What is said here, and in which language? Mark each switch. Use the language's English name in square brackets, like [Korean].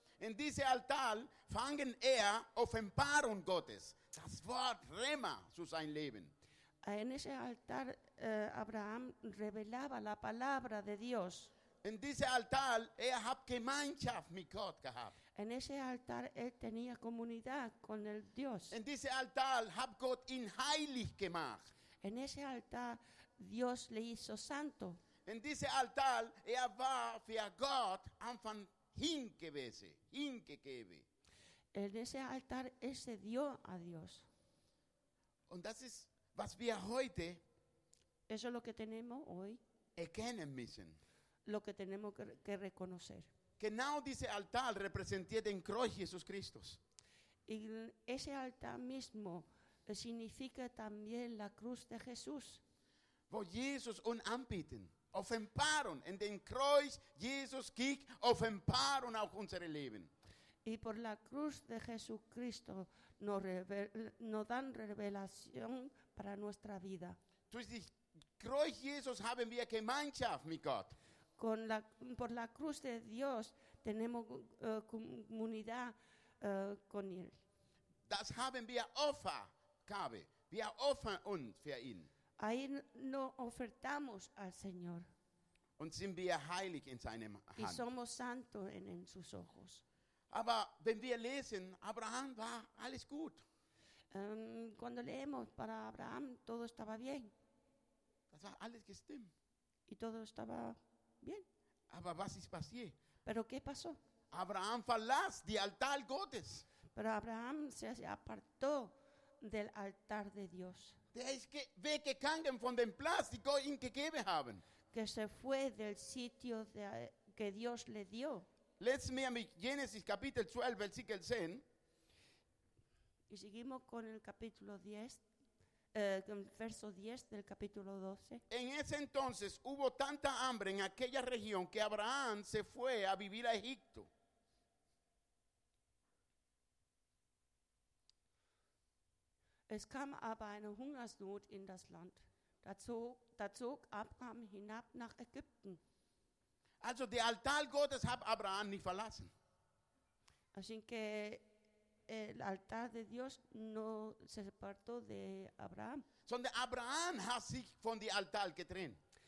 [German] In diesem Altar fangen er Offenbarung Gottes, das Wort Rema zu sein Leben. [Spanish] En ese altar Abraham revelaba la palabra de Dios. [German] In diesem Altar er hat Gemeinschaft mit Gott gehabt. [Spanish] En ese altar él tenía comunidad con el Dios. [German] In diesem Altar hat Gott ihn heilig gemacht. [Spanish] En ese altar Dios le hizo santo. [German] In diesem Altar er war für Gott Anfang hingegeben. [Spanish] En ese altar él se dio a Dios. [German] Und das ist, was wir heute [Spanish] eso es lo que tenemos hoy [German] erkennen müssen. [Spanish] Lo que tenemos que reconocer. [German] Genau diese Altar repräsentiert den Kreuz Jesus Christus. [Spanish] Y ese altar mismo significa también la cruz de Jesús. [German] Wo Jesus uns anbieten, Offenbarung in den Kreuz Jesus gibt, Offenbarung auf unser Leben. [Spanish] Y por la cruz de Jesucristo nos dan revelación para nuestra vida. [German] Durch das Kreuz Jesus haben wir Gemeinschaft mit Gott. [Spanish] Por la cruz de Dios tenemos comunidad con él. [German] Das haben wir Opfergabe. Wir opfern uns für ihn. [Spanish] Ahí nos ofertamos al Señor. [German] Und sind wir heilig in seinem Hand. [Spanish] Y somos santos en sus ojos. [German] Aber wenn wir lesen, Abraham war alles gut. [Spanish] Cuando leemos para Abraham todo estaba bien. [German] Das war alles gestimmt. [Spanish] Y todo estaba bien. [German] Aber was ist passiert? [Spanish] Pero qué pasó? [German] Abraham verlas die Altar Gottes. [Spanish] Pero Abraham se apartó del altar de Dios. [German] Der ist weggegangen von dem Platz, die Gott ihm gegeben haben. [Spanish] Que se fue del sitio que Dios le dio. [German] Let's me mit Genesis Kapitel 12 Versikel 10. [Spanish] Y seguimos con el capítulo 10. Verso 10 del capítulo 12. En ese entonces hubo tanta hambre en aquella región que Abraham se fue a vivir a Egipto. [German] Es kam aber eine Hungersnot in das Land. Da zog Abraham hinab nach Ägypten. Also der Altar Gottes hat Abraham nicht verlassen. [Spanish] Así que el altar de Dios no se separó de Abraham. [German] Sondern Abraham hat sich von dem Altar getrennt.